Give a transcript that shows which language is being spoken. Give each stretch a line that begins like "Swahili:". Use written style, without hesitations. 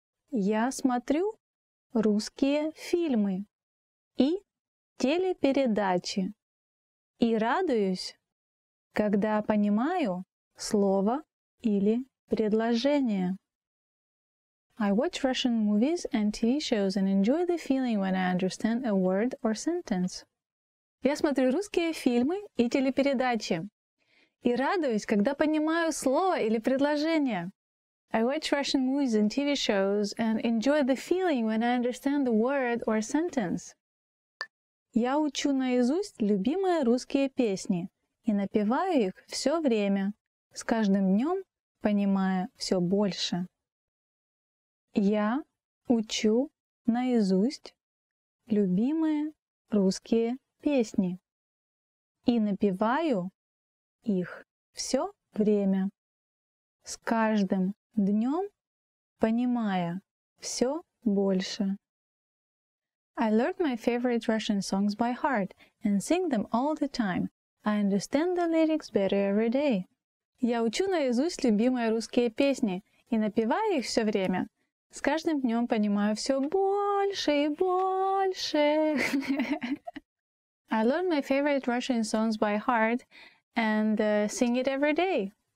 Russian: Я смотрю русские фильмы и телепередачи и радуюсь, когда понимаю слово или предложение.
English: I watch Russian movies and TV shows and enjoy the feeling when I understand a word or sentence.
Russian: Я смотрю русские фильмы и телепередачи и радуюсь, когда понимаю слово или предложение.
English: I watch Russian movies and TV shows and enjoy the feeling when I understand the word or sentence.
Russian: Я учу наизусть любимые русские песни и напеваю их все время, с каждым днем понимая все больше. Я учу наизусть любимые русские песни и напеваю их все время, с каждым днем понимая все больше.
English: I learn my favorite Russian songs by heart and sing them all the time. I understand the lyrics better every day.
Russian: Я учу наизусть любимые русские песни и напеваю их все время. С каждым днем понимаю все больше и больше.
English: I learn my favorite Russian songs by heart and sing it every day.